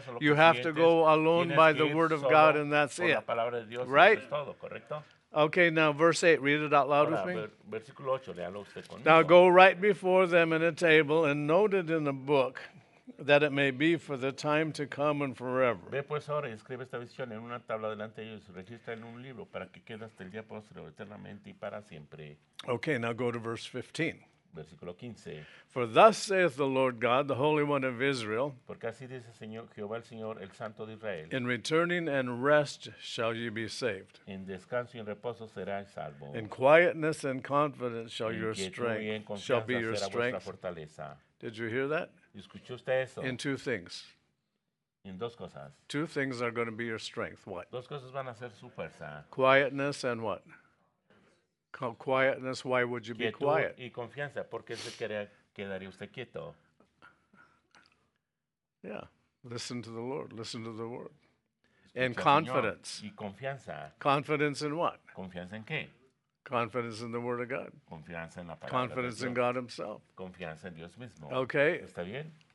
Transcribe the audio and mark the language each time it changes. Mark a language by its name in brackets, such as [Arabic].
[English] You have to go alone by the word of God, and that's it. Right? Okay, now verse 8, read it out loud with me. Now go right before them in a table and note it in a book, that it may be for the time to come and forever. [Spanish] Ve pues ahora y escribe esta visión en una tabla delante de ellos, registra en un libro para que quede hasta el día postrero eternamente y para siempre. [English] Okay, now go to verse 15. [Spanish] Versículo 15. [English] For thus saith the Lord God, the Holy One of Israel. [Spanish] Porque así dice el Señor Jehová el Señor, el Santo de Israel. [English] In returning and rest shall ye be saved. [Spanish] En descanso y en reposo serás salvo. [English] In quietness and confidence shall [Spanish] en [English] your strength shall be your strength. [Spanish] Fortaleza. [English] Did you hear that? [Spanish] ¿Escuchó usted eso? [English] In two things. [Spanish] En dos cosas. [English] Two things are going to be your strength. What? [Spanish] Dos cosas van a ser su fuerza. [English] Quietness and what? Quietness, why would you [Spanish] quietud [English] be quiet? [Spanish] Y confianza, ¿por qué se quedaría usted quieto? [English] Yeah, listen to the Lord, listen to the word. [Spanish] Escucha [English] and confidence. [Spanish] Y confianza. [English] Confidence in what? [Spanish] ¿Confianza en qué? [English] Confidence in the word of God. [Spanish] Confianza en la palabra. [English] Confidence [Spanish] de Dios. [English] In God himself. [Spanish] Confianza en Dios mismo. [English] Okay. [Spanish] ¿Está bien?